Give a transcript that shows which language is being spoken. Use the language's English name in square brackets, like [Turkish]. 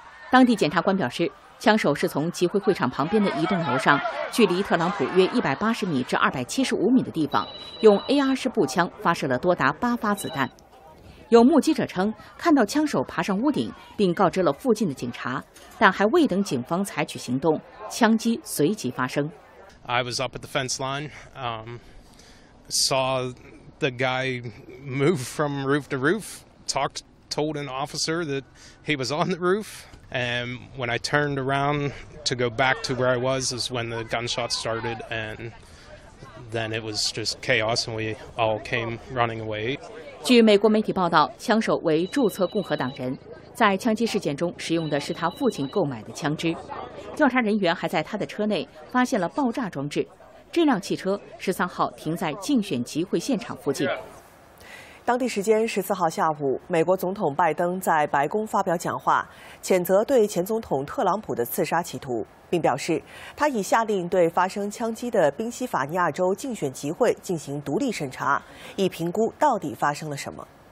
[Chinese] 当地检察官表示，枪手是从集会会场旁边的一栋楼上，距离特朗普约180米至275米的地方，用 AR-15 步枪发射了多达8发子弹。有目击者称，看到枪手爬上屋顶，并告知了附近的警察，但还未等警方采取行动，枪击随即发生。 [English] I was up at the fence line, saw the guy move from roof to roof, told an officer that he was on the roof. And when I turned around to go back to where I was is when the gunshots started, and then it was just chaos, and we all came running away. [Chinese] 据美国媒体报道，枪手为注册共和党人，在枪击事件中使用的是他父亲购买的枪支。调查人员还在他的车内发现了爆炸装置，这辆汽车13号停在竞选集会现场附近。当地时间14号下午，美国总统拜登在白宫发表讲话，谴责对前总统特朗普的刺杀企图，并表示他已下令对发生枪击的宾夕法尼亚州竞选集会进行独立审查，以评估到底发生了什么。